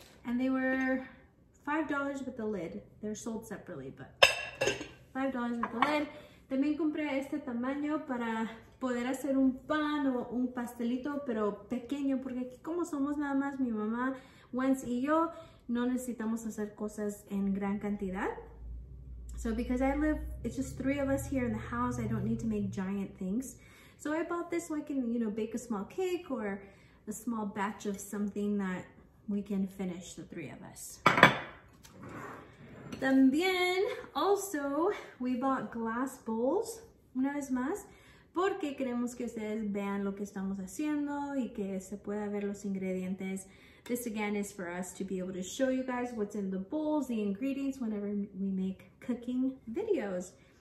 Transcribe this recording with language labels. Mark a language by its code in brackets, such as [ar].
[en] And they were $5 with the lid. They're sold separately, but $5 with the lid. [es] También compré este tamaño para poder hacer un pan o un pastelito, pero pequeño, porque aquí como somos nada más mi mamá, Wens y yo, no necesitamos hacer cosas en gran cantidad. [en] So because I live, it's just 3 of us here in the house, I don't need to make giant things. So I bought this so I can, you know, bake a small cake or a small batch of something that we can finish, the 3 of us. También, also, we bought glass bowls, [es] una vez más, porque queremos que ustedes vean lo que estamos haciendo y que se pueda ver los ingredientes. [en] This again is for us to be able to show you guys what's in the bowls, the ingredients, whenever we make cooking videos.